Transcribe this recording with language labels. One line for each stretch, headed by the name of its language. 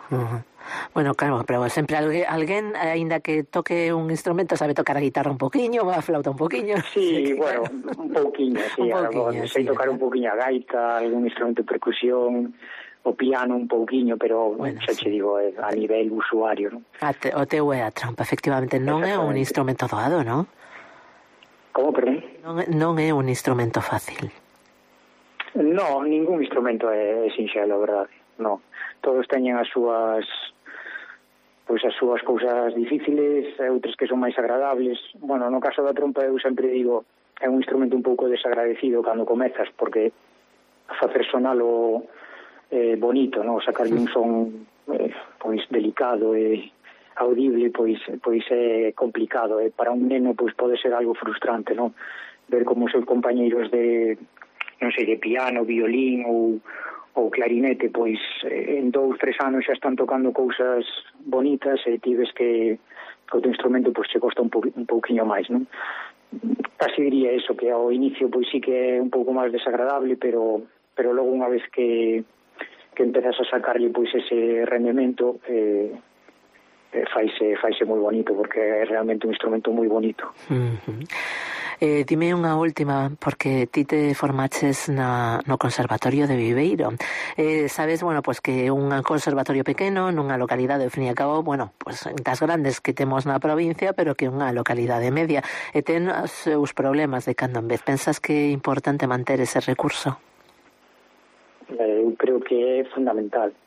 Galician: Uh-huh. Bueno, claro, pero sempre alguén, aínda que toque un instrumento, sabe tocar a guitarra un poquinho, a flauta un poquinho.
Spanish: Sí, bueno, claro. Un poquinho, sí. Tocar un poquinho a gaita, algún instrumento de percusión, o piano un pouquiño, pero, bueno, xa che digo, a nivel usuario. ¿No?
Galician: O teu é a trompa, efectivamente, non é un instrumento doado, non? Como, perdón? Non é un instrumento fácil. No, ningún instrumento é sinxelo, verdade. No. Todos teñen as súas cousas difíciles, outras que son máis agradables. Bueno, no caso da trompa, eu sempre digo, é un instrumento un pouco desagradecido cando comezas, porque facer sonalo bonito, no, sacarle un son pois delicado e audible, pois é complicado, e para un neno pois pode ser algo frustrante, no, ver como seus compañeiros de, non sei, de piano, violín ou clarinete, pois en 2-3 anos xa están tocando cousas bonitas e ti ves que o teu instrumento pois se costa un pouquiño máis, non? Así diría eso, que ao inicio pois sí que é un pouco máis desagradable, pero logo unha vez que empezas a sacarle
Spanish: pues ese rendimiento,
Galician: faise muy bonito, porque é realmente un instrumento moi bonito. Dime unha última, porque ti te formaches no Conservatorio de Viveiro. Sabes, bueno, pues que un conservatorio pequeno, nunha localidade, ao fin e ao cabo, bueno, pues das grandes que temos na provincia, pero que unha localidade media. E ten os seus problemas de cando en vez. Pensas que é importante manter ese recurso? Eu creo que é fundamental.